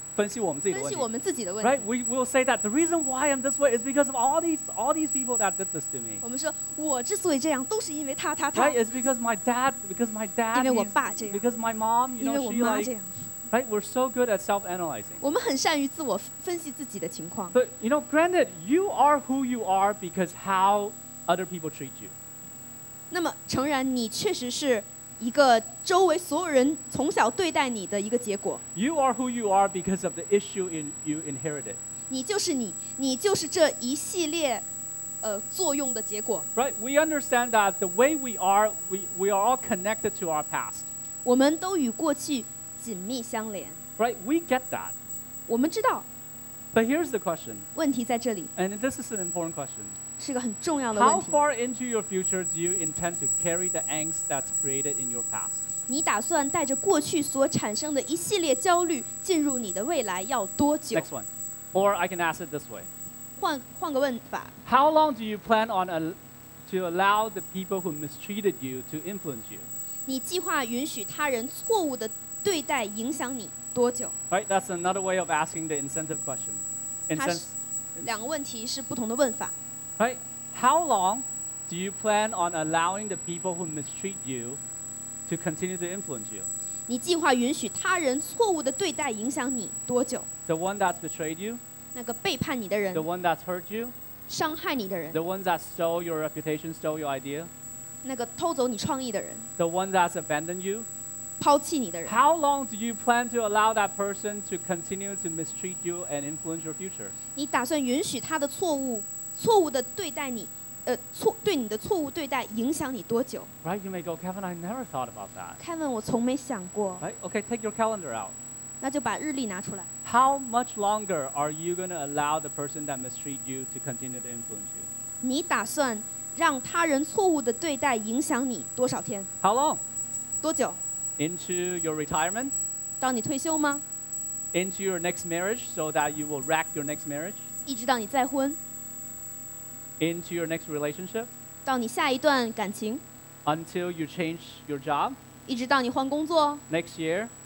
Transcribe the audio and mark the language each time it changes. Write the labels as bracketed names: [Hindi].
[Chinese] 分析我们自己的问题。分析我们自己的问题。 [English] Right? We will say that the reason why I'm this way is because of all these people that did this to me. [Chinese] 我们说我之所以这样都是因为他。 [English] Right? It's because my dad. [Chinese] 因为我爸这样。 [English] Because my mom, you know, [Chinese] 因为我妈这样。 [English] Right? We're so good at self-analyzing. [Chinese] 我们很善于自我分析自己的情况。 [English] But you know, granted, you are who you are because how other people treat you. [Chinese] 那么诚然，你确实是。一个周围所有人从小对待你的一个结果。 [English] You are who you are because of the issue you inherited. [Chinese] 你就是你，你就是这一系列，作用的结果。 [English] Right, we understand that the way we are, we are all connected to our past. [Chinese] 我们都与过去紧密相连。 [English] Right, we get that. [Chinese] 我们知道。 [English] But here's the question. [Chinese] 问题在这里。 [English] And this is an important question. [Chinese] 是个很重要的问题。 [English] How far into your future do you intend to carry the angst that's created in your past? [Chinese] 你打算带着过去所产生的一系列焦虑进入你的未来要多久？ [English] Next one. Or I can ask it this way. [Chinese] 换个问法。 [English] How long do you plan on to allow the people who mistreated you to influence you? [Chinese] 你计划允许他人错误的对待影响你多久？ [English] Right, that's another way of asking the incentive question. [Chinese] 两个问题是不同的问法。 [English] Right? How long do you plan on allowing the people who mistreat you to continue to influence you? [Chinese] 你计划允许他人错误的对待影响你多久？ [English] The one that's betrayed you? [Chinese] 那个背叛你的人？ [English] The one that's hurt you? [Chinese] 伤害你的人？ [English] The one that stole your reputation, stole your idea? [Chinese] 那个偷走你创意的人？ [English] The one that's abandoned you? [Chinese] 抛弃你的人？ [English] How long do you plan to allow that person to continue to mistreat you and influence your future? [Chinese] 你打算允许他的错误错误的对待你，对你的错误对待影响你多久 [English] ？Right, you may go, Kevin. I never thought about that. [Chinese] Kevin, 我从没想过。 [English] Right, okay, take your calendar out. [Chinese] 那就把日历拿出来。 [English] How much longer are you going to allow the person that mistreat you to continue to influence you? [Chinese] 你打算让他人错误的对待影响你多少天 [English] ？How long? [Chinese] 多久 [English] ？Into your retirement? [Chinese] 到你退休吗 [English] ？Into your next marriage, so that you will wreck your next marriage. [Chinese] 一直到你再婚。 [English] Into your next relationship? [Chinese] 到你下一段感情。 [English] Until you change your job? [Chinese] 一直到你换工作。 [English] Next year?